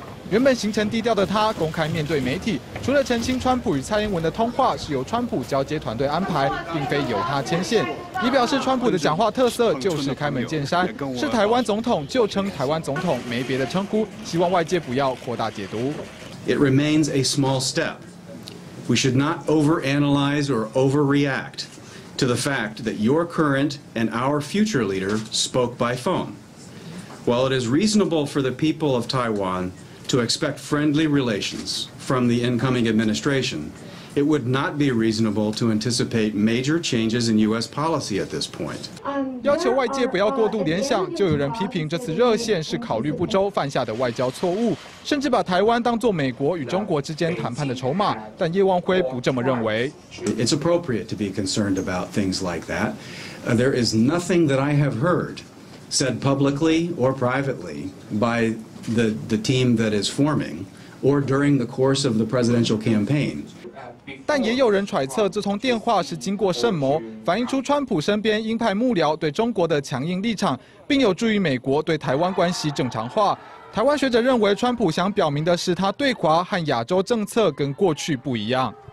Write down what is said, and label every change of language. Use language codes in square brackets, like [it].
[zh] 原本行程低调的他公开面对媒体，除了澄清川普与蔡英文的通话是由川普交接团队安排，并非由他牵线，也表示川普的讲话特色就是开门见山，是台湾总统就称台湾总统，没别的称呼，希望外界不要扩大解读。 [en] It remains a small step. We should not overanalyze or overreact to the fact that your current and our future leader spoke by phone. While it is reasonable for the people of Taiwan to expect friendly relations from the incoming administration, it would not be reasonable to anticipate major changes in U.S. policy at this point. [zh] 要求外界不要过度联想，就有人批评这次热线是考虑不周犯下的外交错误，甚至把台湾当作美国与中国之间谈判的筹码。但叶望辉不这么认为。 [en] It's appropriate to be concerned about things like that. There is nothing that I have heard said publicly or privately by the team that is forming or during the course of the presidential campaign. [zh] 但也有人揣测，这通电话是经过圣谋，反映出川普身边鹰派幕僚对中国的强硬立场，并有助于美国对台湾关系正常化。台湾学者认为，川普想表明的是，他对华和亚洲政策跟过去不一样。